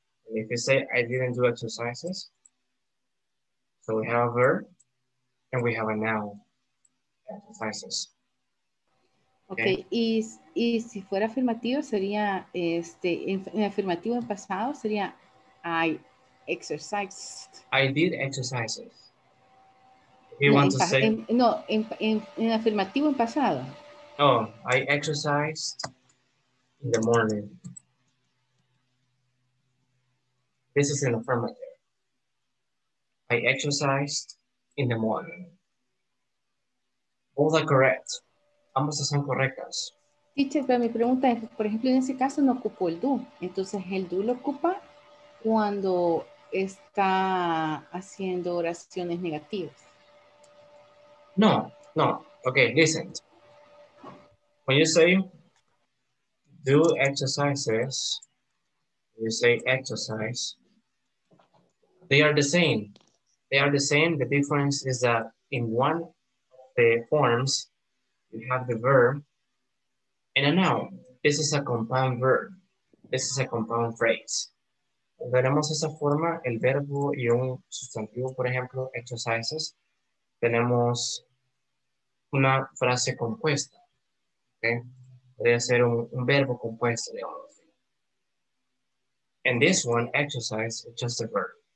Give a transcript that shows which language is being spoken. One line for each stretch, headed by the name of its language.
English: And if you say I didn't do exercises, so we have a verb and we have a noun. Exercises. Okay.
Spanish: Y si fuera afirmativo, sería en afirmativo en pasado, sería I.
English: Exercised. I did exercises. You want to say?
Spanish: En afirmativo en pasado.
English: Oh, I exercised in the morning. This is an affirmative. I exercised in the morning. All are correct.
Spanish: Ambas son correctas. Teacher, pero mi pregunta es, por ejemplo, en ese caso no ocupo el do. Entonces, el do lo ocupa cuando está haciendo oraciones negativas.
English: No. Okay, listen. When you say do exercises, you say exercise, they are the same. They are the same. The difference is that in one of the forms, you have the verb and a noun. This is a compound verb. This is a compound phrase.
Spanish: Veremos esa forma, el verbo y un sustantivo, por ejemplo, exercises. Tenemos una frase compuesta. Okay? Podría ser un verbo compuesto de
English: all of them. And this one, exercise, is just a verb.